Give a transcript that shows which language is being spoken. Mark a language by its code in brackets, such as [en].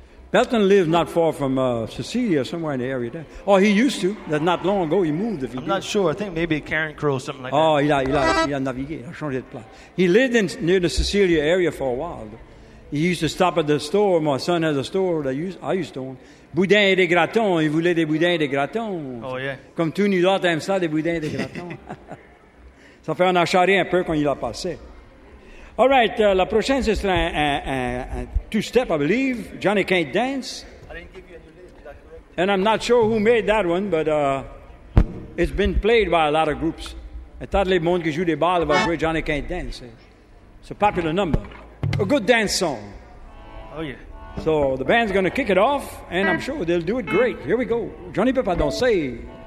[en] Belton lives not far from Cecilia, somewhere in the area there. Oh, he used to. That not long ago, he moved. If he I'm did. Not sure. I think maybe Karen Crow or something like that. [fr] Oh, il a navigué. A changé de place. [en] He lived in near the Cecilia area for a while. He used to stop at the store. My son has a store that I used to own. [fr] Boudin et des gratons. Il voulait des boudins et des gratons. [en] Oh, yeah. [fr] Comme tous nous autres aiment ça, des boudins et des gratons. Ça fait un acharé un peu quand il a passé. [en] All right, [fr] la prochaine, ce sera un [en] two-step, I believe. Johnny Can't Dance. I didn't give you a new lyric, is that correct? And I'm not sure who made that one, but it's been played by a lot of groups. [fr] Et tout le monde qui joue des balles va jouer Johnny Can't Dance. [en] It's a popular number. A good dance song. Oh, yeah. So the band's going to kick it off, and I'm sure they'll do it great. Here we go. Johnny Peppa, don't say...